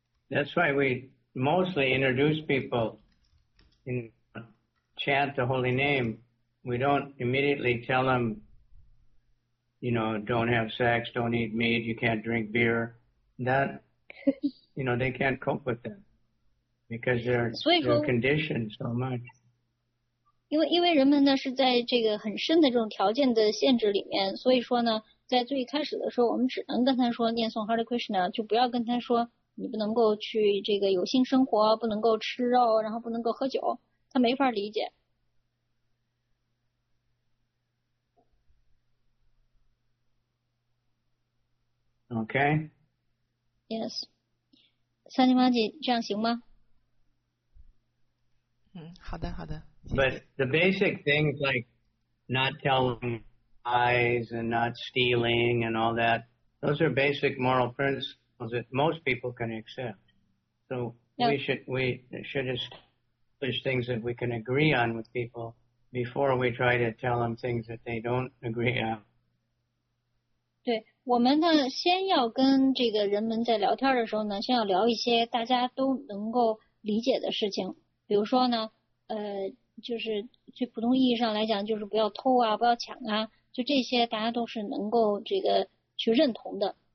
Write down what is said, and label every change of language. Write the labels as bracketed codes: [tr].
[en] That's why we mostly introduce people in chant the holy name. We don't immediately tell them, you know, don't have sex, don't eat meat, you can't drink beer. That, you know, they can't cope with that because they're conditioned so much. [zh] 因为人们呢是在这个很深的这种条件的限制里面，所以说呢，在最开始的时候，我们只能跟他说念诵 Hare Krishna， 就不要跟他说。你不能够去这个有性生活，不能够吃肉，然后不能够喝酒，他没法理解。 [en] Okay. [zh] Yes. 三金妈姐，这样行吗？嗯，好的，好的。 [en] But the basic things like not telling lies and not stealing and all that, those are basic moral principles. That most people can accept. So we should establish things that we can agree on with people before we try to tell them things that they don't agree on. [zh] 对，我们呢，先要跟这个人们在聊天的时候呢，先要聊一些大家都能够理解的事情。比如说呢，就是最普通意义上来讲，就是不要偷啊，不要抢啊，就这些大家都是能够这个去认同的。